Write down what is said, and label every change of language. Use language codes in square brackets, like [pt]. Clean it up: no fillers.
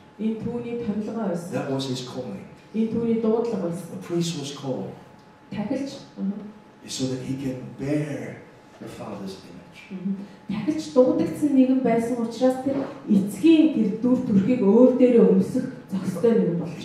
[mn] Энэ түүний тавилга байсан. [en] That was his calling. [mn] Энэ түүний дуудлага байсан. [en] The priest was called. [mn] Тахилч. [en] So that he can bear the Father's image. [mn] Тахилч дуудагдсан нэгэн байсан учраас тэр эцгийн тэр дүр төрхийг өөр дээрээ өмсөх зохистой нэг болж